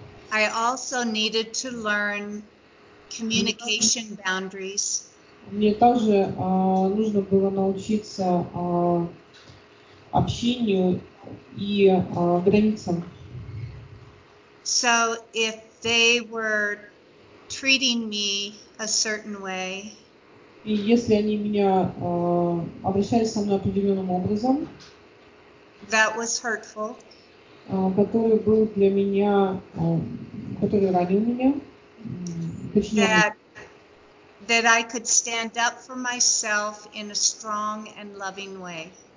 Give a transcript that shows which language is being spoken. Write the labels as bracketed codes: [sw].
[en] I also needed to learn communication boundaries. [ru] Мне также нужно было научиться общению и границам. [en] So if they were treating me a certain way, [ru] и если они меня обращались со мной определенным образом, [en] that was hurtful, [ru] который был для меня, который ранил меня, [en] that I could stand up for myself in a strong and loving way.